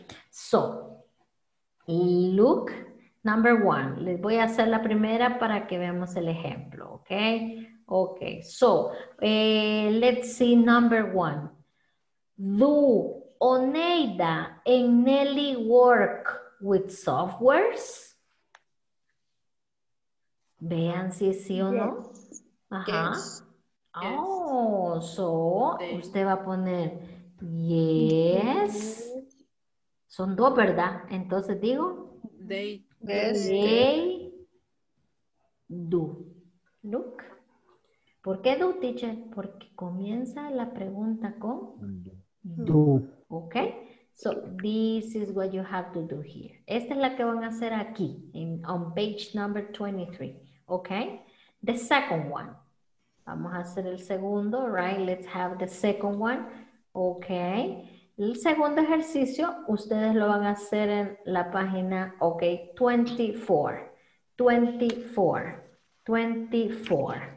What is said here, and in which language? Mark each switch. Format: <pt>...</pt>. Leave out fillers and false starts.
<en>So, look, number one,</en> <es>les voy a hacer la primera para que veamos el ejemplo, ¿ok?</es> <en>Ok, so, let's see number one, do Oneida and Nelly work with softwares?</en> <es>Vean si sí o no. Ajá.</es> <en>Yes.</en> <es>Oh, so, usted va a poner yes. Son dos, ¿verdad? Entonces digo.</es> <en>They do. Look.</en> <es>¿Por qué do, teacher? Porque comienza la pregunta con</es> <en>do. Ok, so this is what you have to do here.</en> <es>Esta es la que van a hacer aquí,</es> <en>on page number 23.</en> <es>Ok,</es> <en>the second one.</en> <es>Vamos a hacer el segundo, right?</es> <en>Let's have the second one.</en> <es>Ok, el segundo ejercicio, ustedes lo van a hacer en la página, ok, 24.</es>